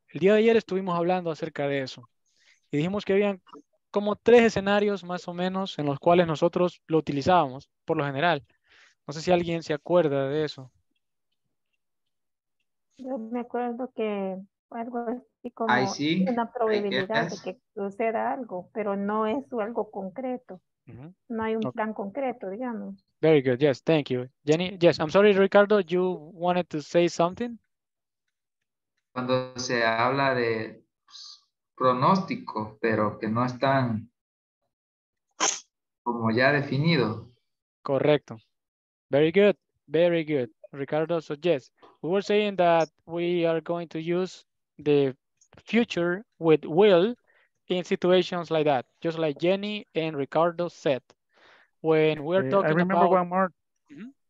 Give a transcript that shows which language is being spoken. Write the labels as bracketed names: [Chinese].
[Spanish] El día de ayer estuvimos hablando acerca de eso. Y dijimos que habían como tres escenarios más o menos en los cuales nosotros lo utilizábamos por lo general. No sé si alguien se acuerda de eso. Yo me acuerdo que algo así como una probabilidad de que suceda algo, pero no es algo concreto. Mm-hmm. No hay un plan concreto, digamos. [English] Very good. Yes, thank you. Jenny, yes, I'm sorry, Ricardo, you wanted to say something? [Spanish] Cuando se habla de pronóstico, pero que no están como ya definido. [English] Correcto. Very good. Very good. Ricardo, so yes, we were saying that we are going to use the future with will in situations like that, just like Jenny and Ricardo said. When we're talking about... I remember about... one more. Mm-hmm.